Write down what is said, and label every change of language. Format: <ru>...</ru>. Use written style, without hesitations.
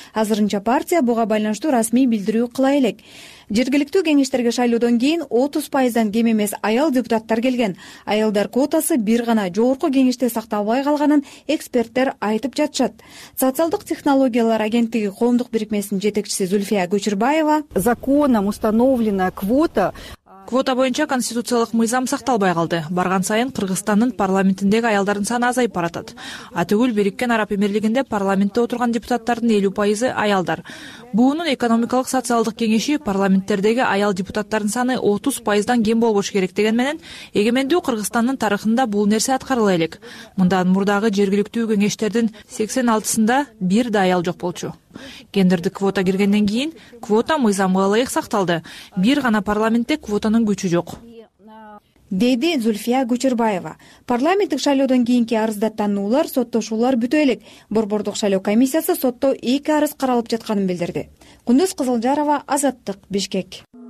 <ky>Азырынча партия буга байланыштуу расмий билдирүү кыла элек. Жергиликтүү кеңештерге шайлоодон кийин 30% кем эмес аял депутаттар келген. Аялдар квотасы бир гана жогорку кеңеште сакталбай калганын эксперттер айтып жатышат. Социалдык технологиялар агенттиги коомдук бирикмесинин жетекчиси Зульфия Көчүрбаева:</ky> <ru>законом установлена квота</ru> <ky>Квота боюнча конституциялык мыйзам сакталбай калды. Барган сайын Кыргызстандын парламентиндеги аялдардын саны азайып баратат. Атүгүл Бириккен Араб Эмирлигинде парламентте отурган депутаттардын 50% аялдар. Буунун экономикалык социалдык кеңеши парламенттердеги аял депутаттардын саны 30%дан кем болбош керек деген менен эгемендүү Кыргызстандын тарыхында бул нерсе аткарыла элек. Мындан мурдагы жергиликтүү кеңештердин 86%сында бир да аял жок болчу. Гендердик квота киргенден кийин квота мыйзамга ылайык сакталды. Бир гана парламентте квотанын күчү жок. Деди Зульфия Гучербаева. Парламенттик шайлоодон кийинки арызда тануулар, соттошуулар бүтө элек. Борбордук шайлоо комиссиясы сотто 2 арыз каралып жатканын билдирди. Кундуз Кызылжарова, Азаттык, Бишкек.</ky>